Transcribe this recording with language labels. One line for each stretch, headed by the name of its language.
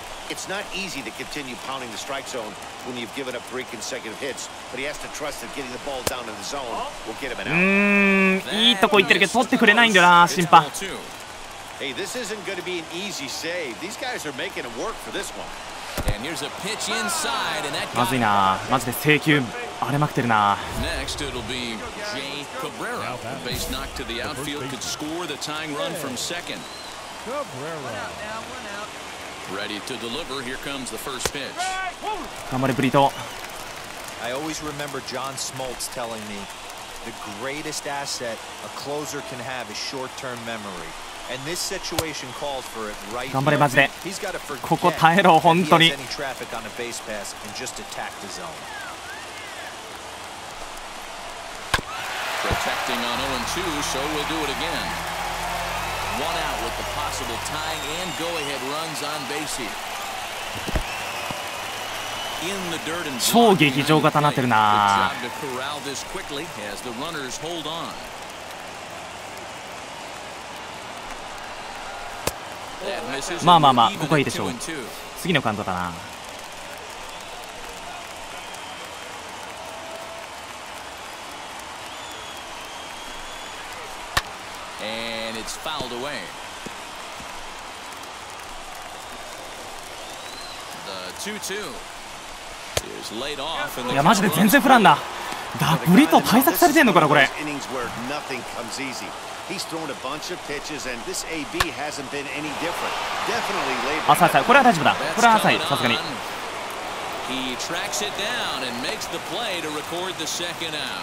English: It's not easy to continue pounding the strike zone when you've given up three consecutive hits, but he has to trust that getting the ball down in the zone will get him an out.
Japanese: いいとこ行ってるけど取ってくれないんだよな、審判。
English: Hey, this isn't going to be an easy save. These guys are making it work for this one. And here's a pitch inside, and that.
Japanese: まずいな、マジで制球荒れまくってるな。
English: Next, it'll be Jay Cabrera. The base knock to the outfield could score the tying run from second. Cabrera. Ready to deliver. Here comes the first pitch.
Japanese: 頑張れ、ブリト。
English: I always remember John Smoltz telling me the greatest asset a closer can have is short-term memory. And this situation calls for it right
Japanese: now. 頑張れ、マジで。ここ耐えろ、本当に。
English: He has any traffic on a base pass and just attack the zone. Protecting on 0-2, so we'll do it again. One out with the possible tying and go-ahead runs on base here. In the dirt and slow.
Japanese: 超劇場型になってるな。
English: Good job to corral this quickly as the runners hold on.
Japanese: まあ、ここはいいでしょう。次のカウントだな。
English: Fouled away. The 2-2 is laid off.
Japanese: いやマジで全然フランだ。ダブリと対策されてんのかなこれ。
English: Innings where nothing comes easy. He's thrown a bunch of pitches and this AB hasn't been any different. Definitely laid
Japanese: off. 浅い、これは大丈夫だ。これは浅い、さすがに。
English: He tracks it down and makes the play to record the second out.